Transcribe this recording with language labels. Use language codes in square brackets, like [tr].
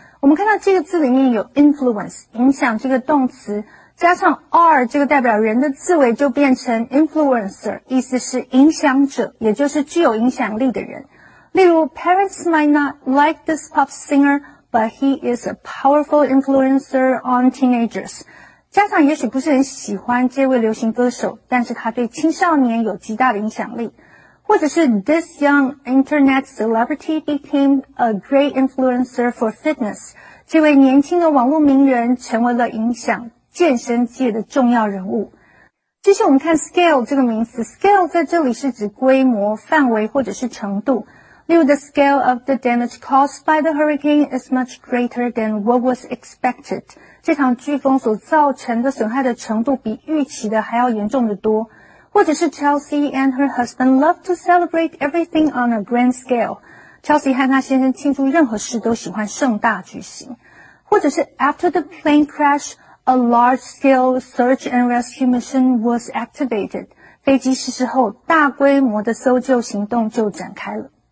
[zh] 我们看到这个字里面有 influence, 影响这个动词。加上 r 这个代表人的字尾就变成 influencer, 意思是影响者，也就是具有影响力的人。例如 [en] ,parents might not like this pop singer, but he is a powerful influencer on teenagers. [zh] 家长也许不是很喜欢这位流行歌手，但是他对青少年有极大的影响力。或者是 [en] this young internet celebrity became a great influencer for fitness. [zh] 这位年轻的网络名人成为了影响健身界的重要人物。继续我们看 scale 这个名词。scale 在这里是指规模、范围或者是程度。 [en] 例如 the scale of the damage caused by the hurricane is much greater than what was expected. [zh] 这场飓风所造成的损害的程度比预期的还要严重的多。或者是 [en] Chelsea and her husband love to celebrate everything on a grand scale. [zh] Chelsea 和她先生庆祝任何事都喜欢盛大举行。或者是 [en] after the plane crash, a large-scale search and rescue mission was activated. [zh] 飞机失事后大规模的搜救行动就展开了。